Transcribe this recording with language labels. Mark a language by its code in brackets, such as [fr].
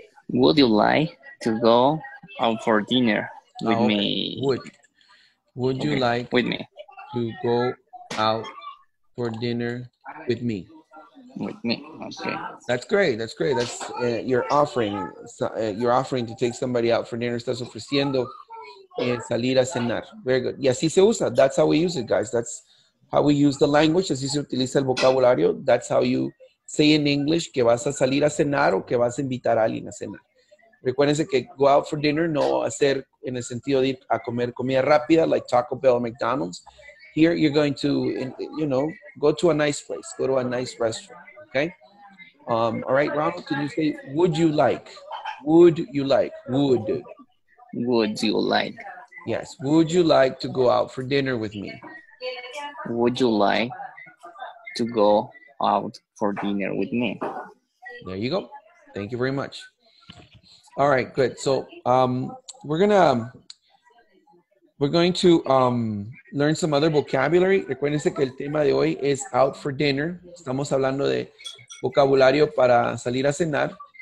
[en] Would you like to go out for dinner with me? Would you like with me to go out for dinner with me? With me. Okay. That's great. That's great. That's you're offering to take somebody out for dinner. [es] Estás ofreciendo salir a cenar. [en] Very good. [es] Y así se usa. [en] That's how we use it, guys. That's how we use the language, [es] así se utiliza el vocabulario. [en] That's how you say in English [es] que vas a salir a cenar o que vas a invitar a alguien a cenar. Recuérdense que [en] go out for dinner [es] no va a ser en el sentido de ir a comer comida rápida [en] like Taco Bell or McDonald's. Here you're going to, you know, go to a nice place, go to a nice restaurant, okay? All right, Ronald, can you say, would you like? Yes, would you like to go out for dinner with me? Would you like to go out for dinner with me? There you go. Thank you very much. All right, good. So we're going to learn some other vocabulary. [es] Recuérdense que el tema de hoy es out for dinner. Estamos hablando de vocabulario para salir a cenar.